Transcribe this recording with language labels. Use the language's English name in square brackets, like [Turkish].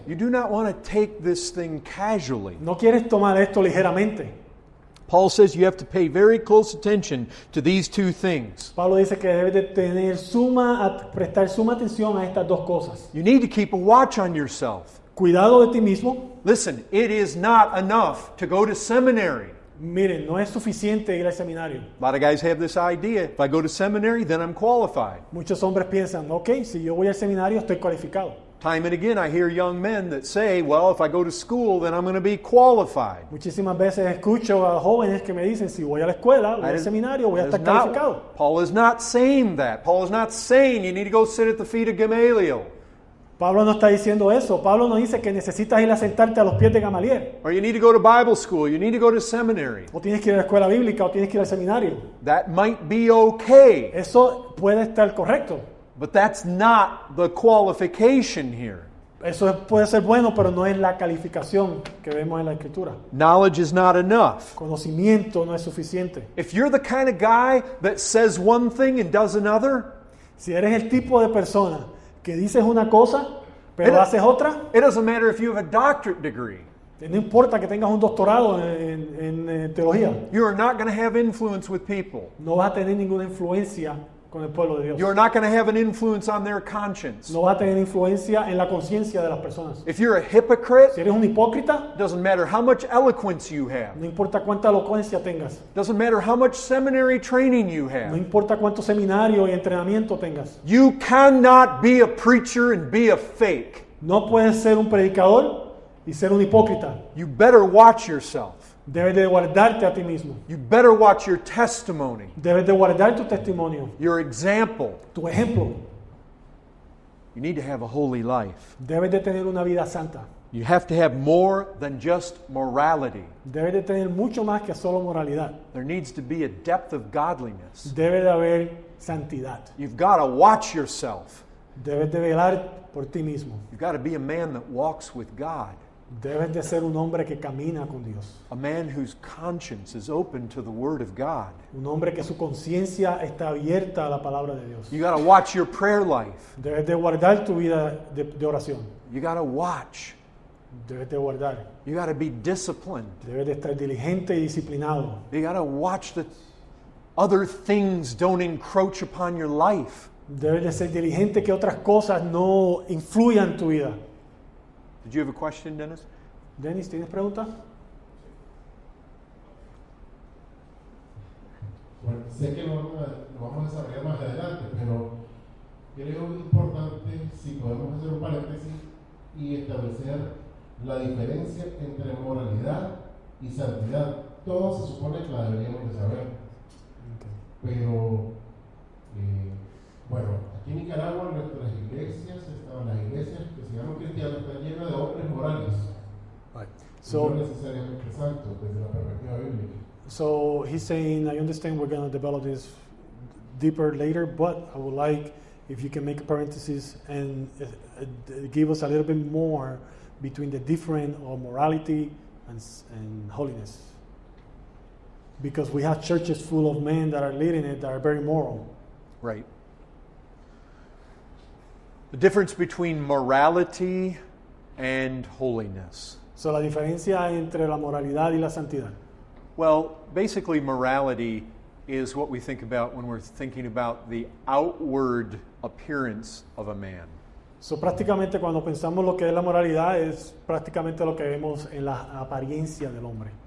[English] You do not want to take this thing casually. [Spanish] No quieres tomar esto ligeramente. [English] Paul says you have to pay very close attention to these two things. [Spanish] Pablo dice que debes de tener prestar suma atención a estas dos cosas. [English] You need to keep a watch on yourself. [Spanish] Cuidado de ti mismo. [English] Listen, it is not enough to go to seminary. [Spanish] Miren, no es suficiente ir al seminario. [English] A lot of guys have this idea. If I go to seminary, then I'm qualified. [Spanish] Muchos hombres piensan, okay, si yo voy al seminario, estoy cualificado. [English] Time and again, I hear young men that say, well, if I go to school, then I'm going to be qualified. [Spanish] Muchísimas veces escucho a jóvenes que me dicen, si voy a la escuela, voy al seminario, voy a estar calificado. [English] Paul is not saying that. Paul is not saying you need to go sit at the feet of Gamaliel. [Spanish] Pablo no está diciendo eso. Pablo no dice que necesitas ir a sentarte a los pies de Gamaliel. [English] Or you need to go to Bible school. You need to go to seminary. [Spanish] O tienes que ir a la escuela bíblica o tienes que ir al seminario. [English] That might be okay. [Spanish] Eso puede estar correcto. [English] But that's not the qualification here. [Spanish] Eso puede ser bueno, pero no es la calificación que vemos en la escritura. [English] Knowledge is not enough. [Spanish] Conocimiento no es suficiente. [English] If you're the kind of guy that says one thing and does another, [Spanish] si eres el tipo de persona que dices una cosa, pero haces otra, [English] it doesn't matter if you have a doctorate degree. [Spanish] No importa que tengas un doctorado en teología. [English] You are not going to have influence with people. [Spanish] No vas a tener ninguna influencia con el pueblo de Dios. [English] You're not going to have an influence on their conscience. [Spanish] No vas a tener influencia en la conciencia de las personas. [English] If you're a hypocrite, [Spanish] si eres un hipócrita, [English] doesn't matter how much eloquence you have. [Spanish] No importa cuánta elocuencia tengas. [English] Doesn't matter how much seminary training you have. [Spanish] No importa cuánto seminario y entrenamiento tengas. [English] You cannot be a preacher and be a fake. [Spanish] No puedes ser un predicador y ser un hipócrita. [English] You better watch yourself. [Spanish] Debes de guardarte a ti mismo. [English] You better watch your testimony. [Spanish] Debes de guardar tu testimonio. [English] Your example. [Spanish] Tu ejemplo. [English] You need to have a holy life. [Spanish] Debes de tener una vida santa. [English] You have to have more than just morality. [Spanish] Debes de tener mucho más que solo moralidad. [English] There needs to be a depth of godliness. [Spanish] Debe de haber santidad. [English] You've got to watch yourself. [Spanish] Debes de velar por ti mismo. [English] You've got to be a man that walks with God. [Spanish] Debes de ser un hombre que camina con Dios. [English] A man whose conscience is open to the word of God. [Spanish] Un hombre que su conciencia está abierta a la palabra de Dios. [English] You got to watch your prayer life. [Spanish] Debes de guardar tu vida de oración. [English] You got to watch. [Spanish] Debes de guardar. [English] You got to be disciplined. [Spanish] Debes de estar diligente y disciplinado. [English] You got to watch that other things don't encroach upon your life. [Spanish] Debes de ser diligente que otras cosas no influyan tu vida. [English] Did you have a question, Dennis? [Spanish] Dennis, ¿tienes pregunta? Bueno, sé que lo vamos a desarrollar más adelante, pero creo importante si podemos hacer un paréntesis y establecer la diferencia entre moralidad y santidad. Todo se supone que la deberíamos de saber. Okay. Pero, bueno, aquí en Nicaragua nuestras iglesias estaban las iglesias que se llaman cristianas están llenas de hombres morales. [English] Right. [Spanish] So, no necesariamente santos desde la perspectiva bíblica. [English] So he's saying, I understand we're going to develop this deeper later, but I would like if you can make a parenthesis and give us a little bit more between the different of morality and holiness. Because we have churches full of men that are leading it that are very moral. Right. The difference between morality and holiness. [Spanish] So la diferencia entre la moralidad y la santidad. [English] Well, basically morality is what we think about when we're thinking about the outward appearance of a man. [Spanish] So prácticamente cuando pensamos lo que es la moralidad es prácticamente lo que vemos en la apariencia del hombre.